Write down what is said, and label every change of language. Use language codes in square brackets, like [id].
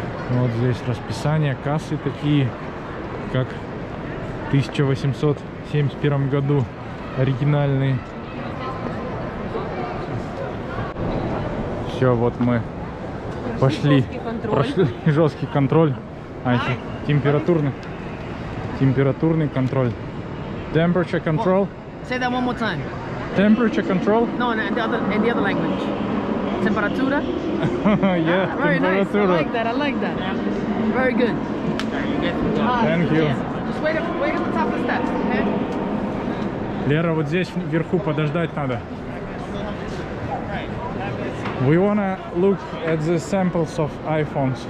[ru] Вот здесь расписание, кассы такие, как в 1871 году, оригинальные. Все, вот мы пошли, прошли жесткий контроль, температурный контроль. [en] Temperature control. Say that one more time. Temperature control. No, in the other language. [ru] Температура. [en] Yeah, very nice. I like that. Very good. Thank you. Just wait on the top of the steps, okay? [ru] Лера, вот здесь вверху подождать надо. [en] We wanna look at the samples of iPhones.